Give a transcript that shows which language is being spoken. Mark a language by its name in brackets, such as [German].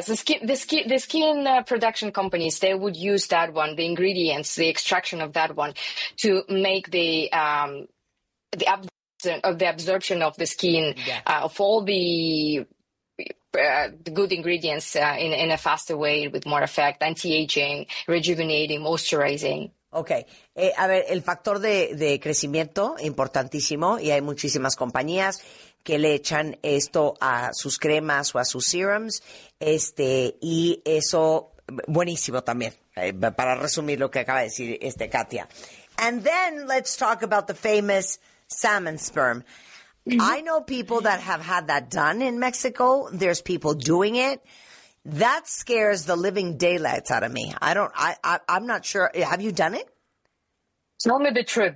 [English] So the skin production companies, they would use that one, the ingredients, the extraction of that one, to make the absorption of the skin of all the good ingredients in a faster way with more effect, anti-aging, rejuvenating, moisturizing. Okay. [Spanish] A ver, el factor de crecimiento, importantísimo, y hay muchísimas compañías que le echan esto a sus cremas o a sus serums, y eso, buenísimo también, para resumir lo que acaba de decir Katia. [English] And then let's talk about the famous salmon sperm. I know people that have had that done in Mexico. There's people doing it. That scares the living daylights out of me. I'm not sure. Have you done it? Tell me the truth.